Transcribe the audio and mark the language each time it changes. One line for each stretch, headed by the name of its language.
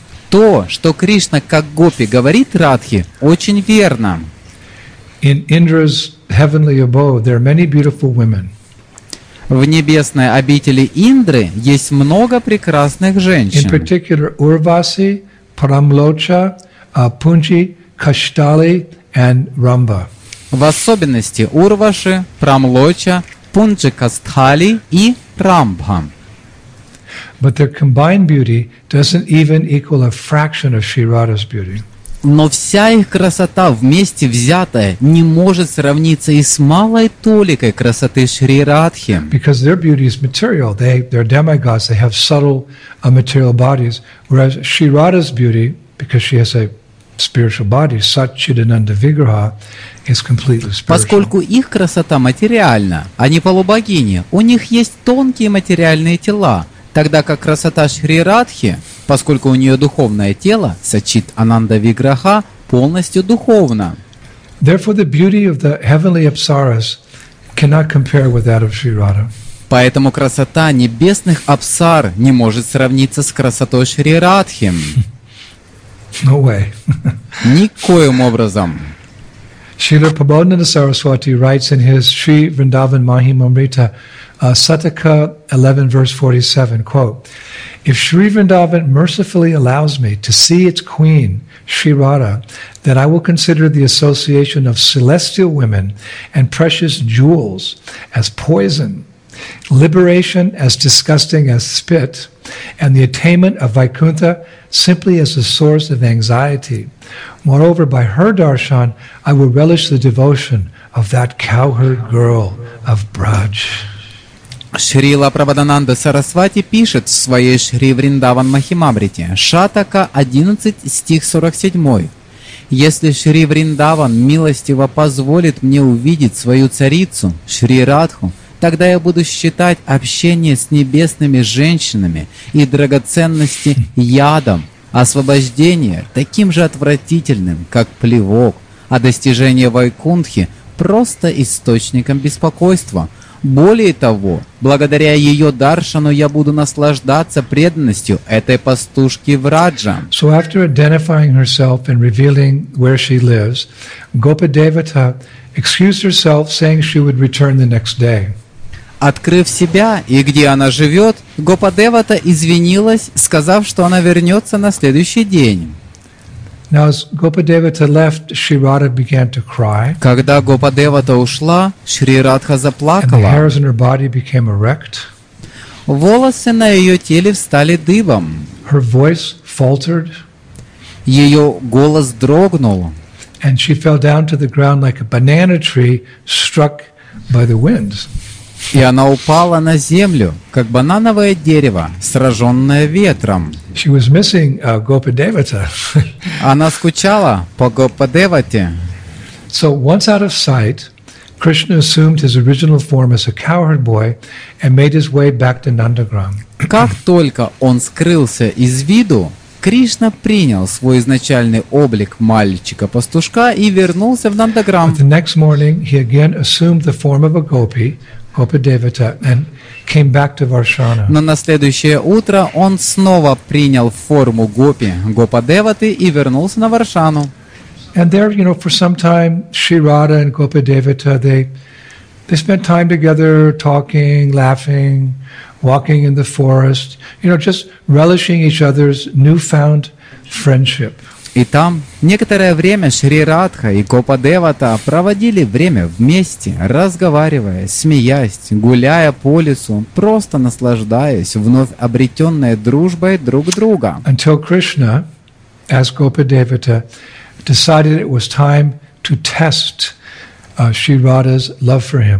Russian: То, что Кришна как гопи говорит Радхе, очень верно.
English: In Indra's heavenly abode there are many beautiful women.
Russian: В небесной обители Индры есть много прекрасных женщин.
English: In particular, Урваси, Прамлоча, Пунджи, Каштали and Рамба.
Russian: В особенности Урваши, Прамлоча, Пунджи Каштали и Рамба.
English: But their combined beauty doesn't even equal a fraction of Shri Radha's beauty.
Russian: Но вся их красота вместе взятая не может сравниться и с малой толикой красоты Шри Радхи.
English: Because their beauty is material. They're demigods, they have subtle material bodies. Whereas Shri Radha's beauty, because she has a spiritual body, Satchidananda Vigraha, is completely spiritual.
Russian: Поскольку их красота материальна, они полубогини, у них есть тонкие материальные тела. Тогда как красота Шри Радхи, поскольку у нее духовное тело, Сачит Ананда Виграха, полностью духовно.
English: Therefore, the beauty of the heavenly apsaras cannot compare with that of Shri Radha.
Russian: Поэтому красота небесных апсар не может сравниться с красотой Шри Радхи.
English: No way.
Russian: Никоим образом.
English: Srila Prabodhananda Saraswati writes in his Sri Vrindavan Mahimamrita, Sataka 11, verse 47, quote, "If Sri Vrindavan mercifully allows me to see its queen, Sri Radha, then I will consider the association of celestial women and precious jewels as poison, liberation as disgusting as spit, and the attainment of Vaikuntha simply as a source of anxiety. Moreover, by her darshan, I will relish the devotion of that cowherd girl of Braj."
Russian: Шрила Прабхадананда Сарасвати пишет в своей Шри Вриндаван Махимамрите, Шатака 11, стих 47. «Если Шри Вриндаван милостиво позволит мне увидеть свою царицу, Шри Радху, тогда я буду считать общение с небесными женщинами и драгоценности ядом, освобождение таким же отвратительным, как плевок, а достижение Вайкунтхи просто источником беспокойства. Более того, благодаря ее даршану я буду наслаждаться преданностью этой пастушки в Раджа.
English: So after identifying herself and revealing where she lives, Gopadevata excused herself, saying she would return the next day.
Russian: Открыв себя и где она живет, Гопадевата извинилась, сказав, что она вернется на следующий день.
English: Now, as Gopadevata left, Shri Radha began to cry.
Russian: Когда Гопадевата ушла, Шри Радха заплакала.
English: And the hairs on her body became erect.
Russian: Волосы на ее теле встали дыбом.
English: Her voice faltered.
Russian: Ее голос дрогнул.
English: And she fell down to the ground like a banana tree struck by the wind.
Russian: И она упала на землю, как банановое дерево, сраженное ветром.
English: She was missing Gopadevata.
Russian: Она скучала по Гопадевате.
English: So once out of sight, Krishna assumed his original form as a cowherd boy and made his way back to Nandagram.
Russian: Как только он скрылся из виду, Кришна принял свой изначальный облик мальчика-пастушка и вернулся в Нандаграм.
English: The next morning he again assumed the form of a gopi.
Russian: Но на следующее утро он снова принял форму гопи, Гопадеваты, и вернулся на Варшану.
English: And there, you know, for some time, Shri Radha and Gopadevata, they spent time together, talking, laughing, walking in the forest, you know, just relishing each other's newfound friendship.
Russian: И там некоторое время Шри Радха и Гопадевата проводили время вместе, разговаривая, смеясь, гуляя по лесу, просто наслаждаясь вновь обретенной дружбой друг друга.
English: Until Krishna, as Gopadevata, decided it was time to test Shri Radha's love for him.